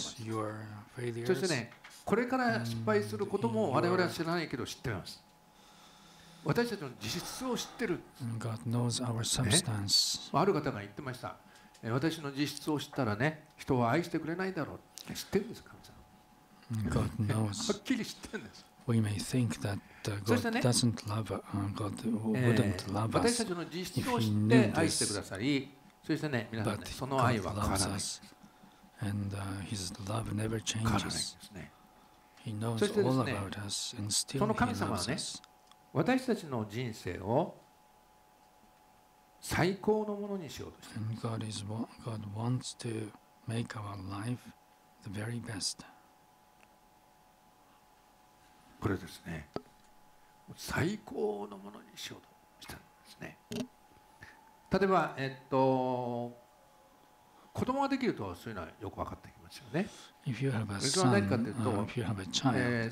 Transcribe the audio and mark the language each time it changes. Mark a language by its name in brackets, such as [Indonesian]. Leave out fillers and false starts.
[Japanese] そしてね、これから失敗することも我々は知らないけど知ってます。私たちの実質を知ってる、ね、ある方が言ってました、私の実質を知ったらね、人は愛してくれないだろう、知ってるんですか。 [English] God knows. [Japanese] はっきり知ってるんです。 [English] We may think that God doesn't love us. God wouldn't love us. [Japanese] 私たちの実質を知って愛してくださり、そしてね、皆さんね、その愛は変わらない。 [English] And His love never changes. He knows all about us and still loves us. [Japanese] その神様はね、私たちの人生を最高のものにしようとしている。 [English] God is God wants to make our life the very best. [Japanese] これですね、最高のものにしようとしたんですね。例えば、子供ができるとそういうのはよく分かってきますよね。 [English] If you have a son, [Japanese] それは何かというと、 [English] if you have a child,